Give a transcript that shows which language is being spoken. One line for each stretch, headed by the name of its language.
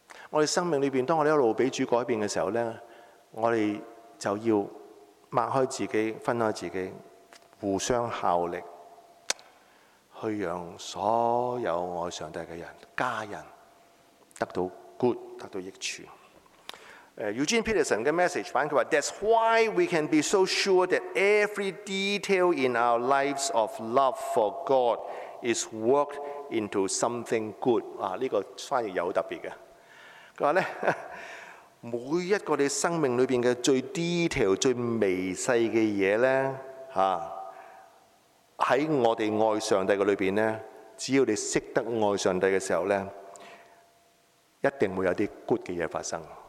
Chinese: 我們生命裏面，當我們一路被主改變的時候，我們就要擘開自己，分開自己，互相效力，去讓所有愛上帝的人、家人得到 good， 得到益處。
English: Eugene Peterson
Chinese: 的 message 版，他說
English: That's why we can be so sure that every detail in our lives of love for God is worked into something good。
Chinese: 這個翻譯有很特別的，他說呢，每一個你生命裡面的最 detail 最微細的東西呢，在我們愛上帝的裡面呢，只要你懂得愛上帝的時候呢，一定會有些 good 的東西發生。